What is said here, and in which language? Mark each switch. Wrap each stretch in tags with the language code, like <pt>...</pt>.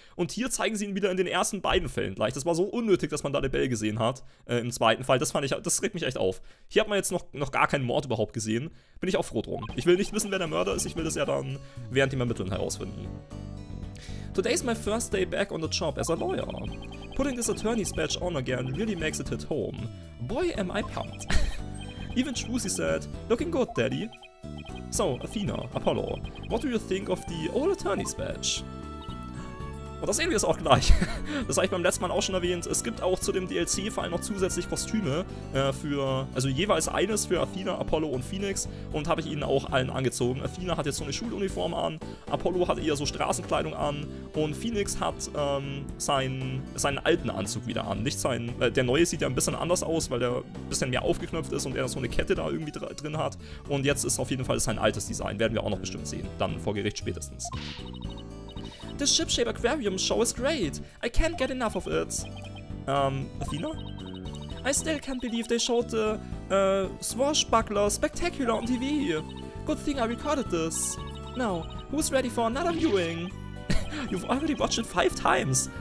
<de>Und hier zeigen sie ihn wieder in den ersten beiden Fällen gleich. Das war so unnötig, dass man da Lebel gesehen hat im zweiten Fall. Das regt mich echt auf. Hier hat man jetzt noch gar keinen Mord überhaupt gesehen. Bin ich auch froh drum. Ich will nicht wissen, wer der Mörder ist. Ich will das ja dann während dem Ermitteln herausfinden.</de> <en>Today's my first day back on the job as a lawyer. Putting this attorney's badge on again really makes it hit home. Boy, am I pumped. Even Trucy said, looking good, daddy. So, Athena, Apollo, what do you think of the old attorney's badge?</en> <de>Und das sehen wir es auch gleich. Das habe ich beim letzten Mal auch schon erwähnt. Es gibt auch zu dem DLC-Fall noch zusätzlich Kostüme für, also jeweils eines für Athena, Apollo und Phoenix. Und habe ich ihnen auch allen angezogen. Athena hat jetzt so eine Schuluniform an, Apollo hat eher so Straßenkleidung an und Phoenix hat seinen alten Anzug wieder an. Nicht seinen, der neue sieht ja ein bisschen anders aus, weil der ein bisschen mehr aufgeknöpft ist und er so eine Kette da irgendwie drin hat. Und jetzt ist auf jeden Fall sein altes Design. Werden wir auch noch bestimmt sehen, dann vor Gericht spätestens.</de> <en>This Shipshape Aquarium Show is great. I can't get enough of it. Athena? I still can't believe they showed the Swashbuckler, Spectacular on TV. Good thing I recorded this. Now, who's ready for another viewing? You've already watched it 5 times.</en>